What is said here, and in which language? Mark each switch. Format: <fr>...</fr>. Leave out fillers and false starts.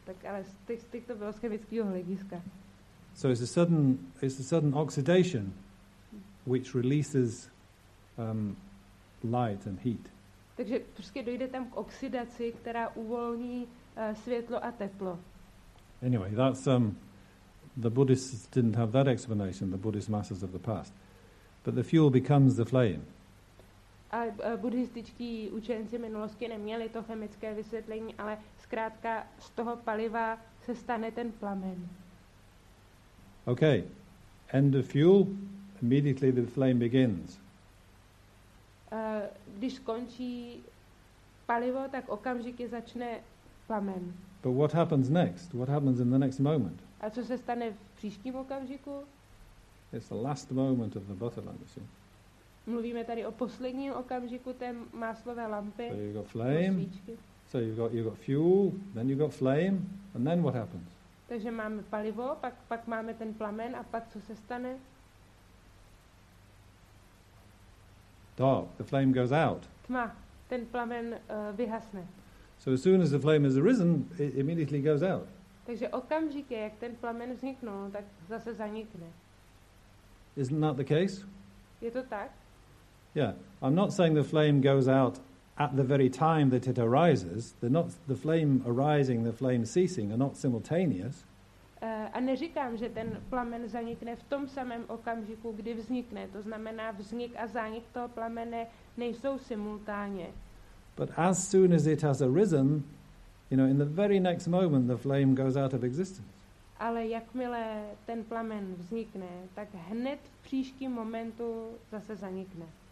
<cs>Tak ale z těch to bylo z chemického hlediska.</cs> <en>So it's a sudden oxidation which releases light and heat.</en> <cs>Takže prostě dojde tam k oxidaci, která uvolní světlo a teplo.</cs> <en>Anyway, that's the Buddhists didn't have that explanation, the Buddhist masters of the past. But the fuel becomes the flame.</en> <cs>A buddhističtí učenci minulosti neměli to chemické vysvětlení, ale zkrátka z toho paliva se stane ten plamen.</cs> <en>Okay, end of fuel, immediately the flame begins.</en> <cs>Když skončí palivo, tak okamžitě začne plamen.</cs> <en>But what happens next? What happens in the next moment?</en> <cs>A co se stane v příštím okamžiku?</cs> <en>It's the last moment of the butterlamp, you see.</en> <cs>Mluvíme tady o posledním okamžiku té máslové lampy.</cs> <en>So you've got flame, so you've got fuel, then you've got flame, and then what happens?</en> <cs>Takže máme palivo, pak máme ten plamen a pak co se stane?</cs> <en>Dark, the flame goes out.</en> <cs>Tma, ten plamen vyhasne.</cs> <en>So as soon as the flame has arisen, it immediately goes out.</en> <cs>Takže okamžitě, jak ten plamen vzniknul, tak zase zanikne.</cs> <en>Isn't that the case?</en> <cs>Je to tak?</cs> <en>Yeah, I'm not saying the flame goes out at the very time that it arises. They're not, the flame arising, the flame ceasing are not simultaneous.</en> <cs>A neříkám, že ten plamen zanikne v tom samém okamžiku, kdy vznikne. To znamená, vznik a zánik toho plamene nejsou simultánně.</cs> <en>But as soon as it has arisen, you know, in the very next moment the flame goes out of existence.</en> <cs>Ale jakmile ten plamen vznikne, tak hned v příštím momentu zase zanikne.</cs>